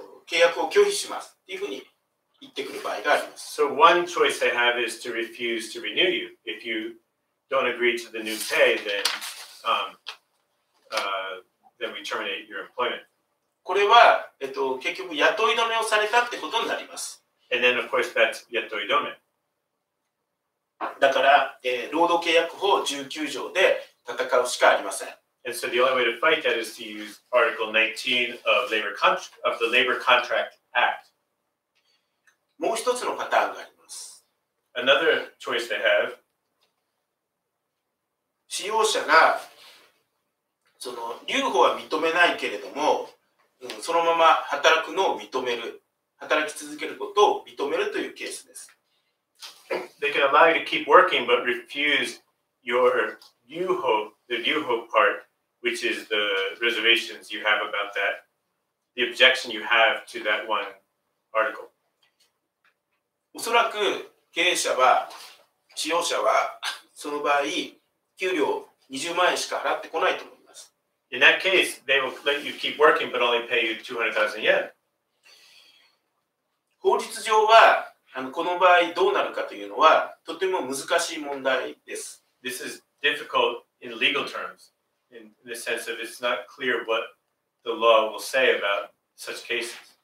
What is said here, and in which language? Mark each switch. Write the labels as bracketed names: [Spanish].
[Japanese] 契約を拒否しますっていうふうに言ってくる場合があります。 [English] So, one choice they have is to refuse to renew you. If you don't agree to the new pay, then, then we terminate your employment. [Japanese] これは、結局雇い止めをされたってことになります。 [English] And then of course that's 雇い止め。 [Japanese] だから、労働契約法19条で戦うしかありません。 [English] And so the only way to fight that is to use Article 19 of labor of the Labor Contract Act. [Japanese] もう一つのパターンがあります。 [English] Another choice they have. [Japanese] 使用者が留保は認めないけれども、そのまま働くのを認める、働き続けることを認めるというケースです。 [English] They can allow you to keep working but refuse your 留保, the 留保 part, which is the reservations you have about that, the objection you have to that one article. [Japanese] おそらく経営者は、使用者はその場合、給料20万円しか払ってこないと思います。 [English] In that case, they will let you keep working, but only pay you 200,000 yen. [Japanese] 法律上は、この場合どうなるかというのは、とても難しい問題です。 [English] This is difficult in legal terms, in the sense of it's not clear what the law will say about such cases.